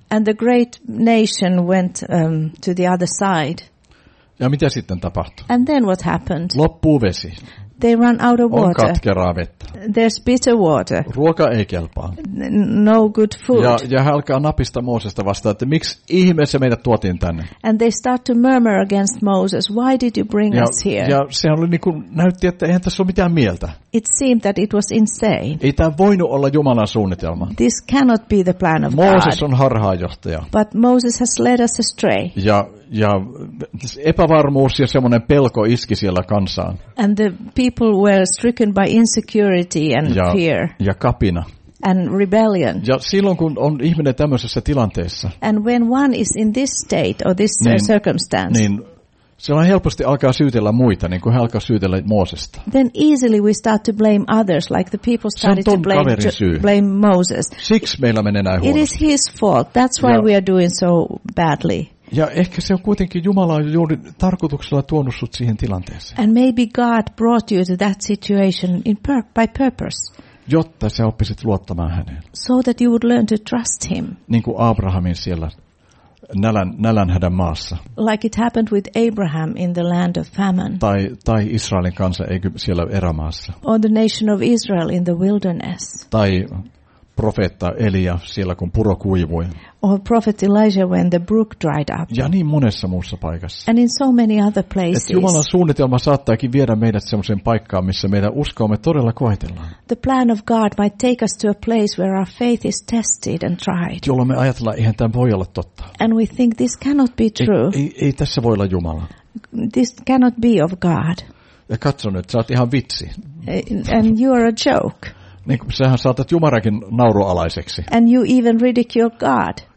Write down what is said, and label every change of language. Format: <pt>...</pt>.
<en>And the great nation went to the other side.</en> <fi>Ja mitä sitten tapahtui?</fi> <en>And then what happened?</en> <fi>Loppuu vesi.</fi> <en>They run out of water.</en> <fi>On katkeraa vettä.</fi> <en>There's bitter water.</en> <fi>Ruoka ei kelpaa.</fi> <en>No good food.</en> <fi>Ja he alkaa napista Moosesta vastaan, että miksi ihmeessä meidät tuotiin tänne.</fi> <en>And they start to murmur against Moses. Why did you bring us here?</en> <fi>Ja se oli niin kuin, näytti, että eihän tässä ole mitään mieltä.</fi> <en>It seemed that it was insane.</en> <fi>Ei tämä voinut olla Jumalan suunnitelma.</fi> <en>This cannot be the plan of God.</en> <fi>Mooses on harhaanjohtaja.</fi> <en>But Moses has led us astray.</en> <fi>Ja epävarmuus ja semmoinen pelko iski siellä kansaan.</fi> <en>And the people were stricken by insecurity and fear.</en> <fi>Ja kapina.</fi> <en>And rebellion.</en> <fi>Ja silloin kun on ihminen tämmöisessä tilanteessa.</fi> <en>And when one is in this state or this circumstance.</en> <fi>Niin silloin helposti alkaa syytellä muita, niin kuin he alkaa syytellä Moosesta.</fi> <en>Then easily we start to blame others, like the people started to blame Moses.</en> <fi>Siksi meillä menee näin huonosti.</fi> <en>It is his fault. That's why we are doing so badly.</en> <fi>Ja ehkä se on kuitenkin Jumala on juuri tarkoituksella tuonut sut siihen tilanteeseen.</fi> <en>And maybe God brought you to that situation by purpose.</en> <fi>Jotta sä oppisit luottamaan häneen.</fi> <en>So that you would learn to trust him.</en> <fi>Niin kuin Abrahamin siellä nälänhädän maassa.</fi> <en>Like it happened with Abraham in the land of famine.</en> <fi>Tai Israelin kansa siellä erämaassa.</fi> <en>Or the nation of Israel in the wilderness.</en> <fi>Tai profeetta Elia siellä kun puro kuivui.</fi> <en>Or prophet Elijah when the brook dried up.</en> <fi>Ja niin monessa muussa paikassa.</fi> <en>And in so many other places.</en> <fi>Et Jumalan suunnitelma saattaakin viedä meidät semmoiseen paikkaan, missä meidän uskoamme todella koetellaan.</fi> <en>The plan of God might take us to a place where our faith is tested and tried.</en> <fi>Jolloin me ajatellaan, eihän tämä voi olla totta.</fi> <en>And we think this cannot be true.</en> <fi>Ei tässä voi olla Jumala.</fi> <en>This cannot be of God.</en> <fi>Ja katso nyt, sä oot ihan vitsi.</fi> <en>And you are a joke.</en> <fi>Niin kuin sähän saatat Jumalakin naurualaiseksi.</fi> <en>And you even ridicule God.</en>